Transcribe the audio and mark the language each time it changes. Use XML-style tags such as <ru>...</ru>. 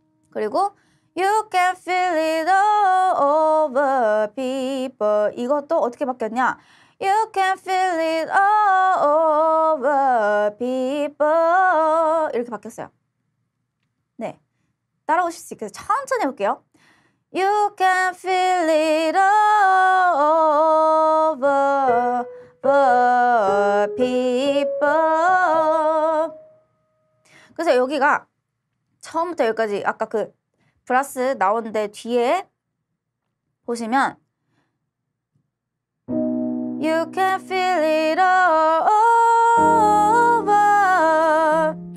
<ko>그리고</ko> <en>You can feel it all over people</en> <ko>이것도 어떻게 바뀌었냐?</ko> <en>You can feel it all over people.</en> <ko>이렇게 바뀌었어요. 네. 따라오실 수 있게 천천히 해볼게요.</ko> <en>You can feel it all over people.</en> <ko>그래서 여기가 처음부터 여기까지 아까 그 브라스 나온 데 뒤에 보시면</ko> <en>You can feel it all over</en>